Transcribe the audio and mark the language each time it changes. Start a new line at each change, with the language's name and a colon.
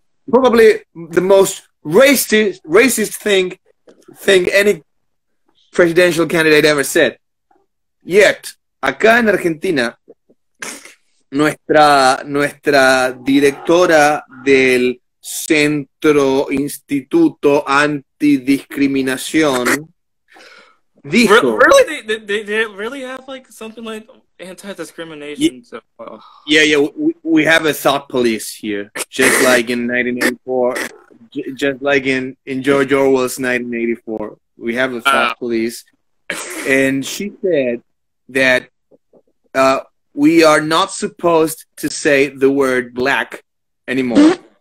English: Probably the most racist thing any presidential candidate ever said.
Spanish: Yet, acá en Argentina, nuestra directora del Centro Instituto Antidiscriminación dijo,
English: Really, they really have like something like anti-discrimination, so we have a thought police here, just like in 1984. Just like in George Orwell's 1984, we have a thought police, and she said that we are not supposed to say the word black anymore.